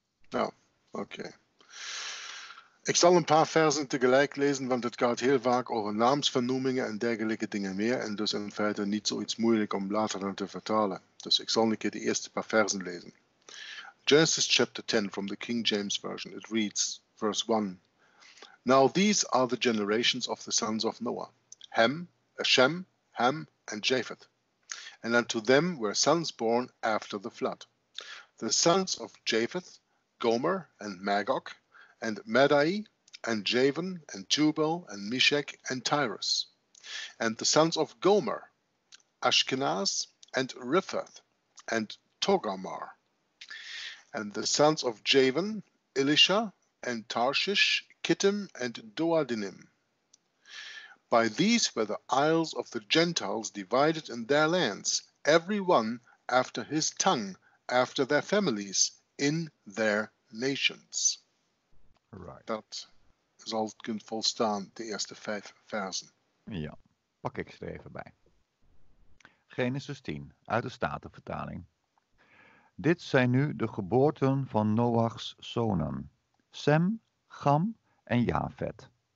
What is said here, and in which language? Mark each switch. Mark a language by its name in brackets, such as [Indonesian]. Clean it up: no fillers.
[Dutch] Ja, oké. Okay. Ik zal een paar versen tegelijk lezen, want het gaat heel vaak over naamsvernoemingen en dergelijke dingen meer. En dus in feite niet zoiets moeilijk om later dan te vertalen. Dus ik zal een keer de eerste paar versen lezen. [English] Genesis chapter 10 from the King James Version. It reads verse 1. Now these are the generations of the sons of Noah, Shem, Ham, and Japheth. And unto them were sons born after the flood. The sons of Japheth, Gomer, and Magog, and Madai, and Javan, and Tubal, and Meshech, and Tyrus. And the sons of Gomer, Ashkenaz, and Riphath, and Togarmah. And the sons of Javan, Elisha, and Tarshish, Kittim and Doadinim. By these were the isles of the Gentiles divided in their lands, every one after his tongue, after their families, in their nations. Right. [Dutch] Dat zal kunnen volstaan, de eerste vijf versen. Ja, pak ik ze er even bij. Genesis 10, uit de Statenvertaling. Dit zijn nu de geboorten van Noach's zonen, Sem, Gam, en Jafet.